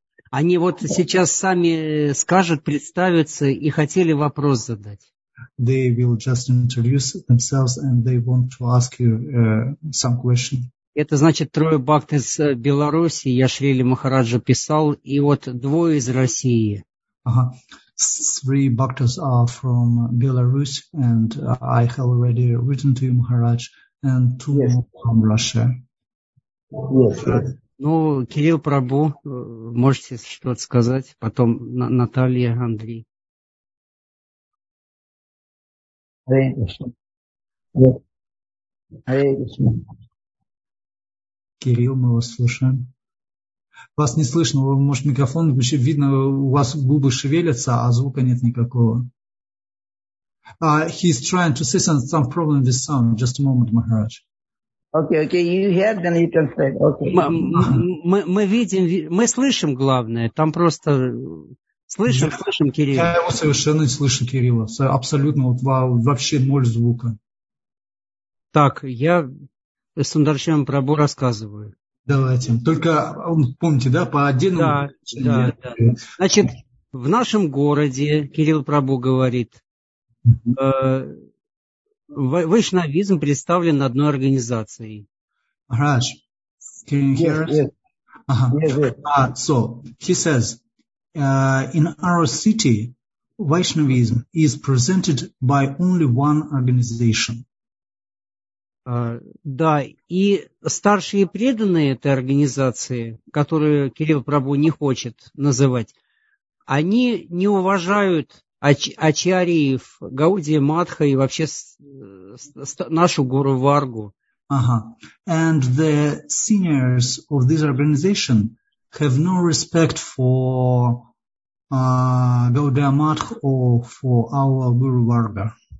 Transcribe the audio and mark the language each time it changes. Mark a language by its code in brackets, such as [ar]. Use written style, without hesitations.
[ru] Они вот сейчас сами скажут, представятся и хотели вопрос задать. [en] They will just introduce themselves and they want to ask you some question. [ru] Это значит трое бхакт из Беларуси, я Шрили Махараджа писал, и вот двое из России. [en] Three bhaktas are from Belarus, and I have already written to you, Maharaj, and two yes. from Russia. Yes. [ru] Ну, Кирилл Прабу, можете что-то сказать, потом Наталья, Андрей. Кирилл, мы вас слушаем. Вас не слышно, может, микрофон, видно, у вас губы шевелятся, а звука нет никакого. [en] He's trying to say some problem with sound. Just a moment, Maharaj. Okay, you hear, then you can say. Okay. [ru] Мы видим, мы слышим главное, там просто слышим, yeah. слышим Кирилла. Я его совершенно не слышу, Кирилла. Абсолютно, вот вообще ноль звука. Так, я... Сундаршивам Прабу рассказываю. Давайте. Только помните, да, по отдельному... Да, да, да. Значит, в нашем городе, Кирилл Прабу говорит, вайшнавизм представлен одной организацией. [en] Раш, can you hear us? Yes. He says, in our city, Vaishnavism is presented by only one organization. [ru] Да, и старшие преданные этой организации, которую Кирилл Прабу не хочет называть, они не уважают ачарьев, Гаудия Матха и вообще нашу гуру Варгу. Ага. [en] And the seniors of this organization have no respect for Gaudiya Matha or for our guru Varga.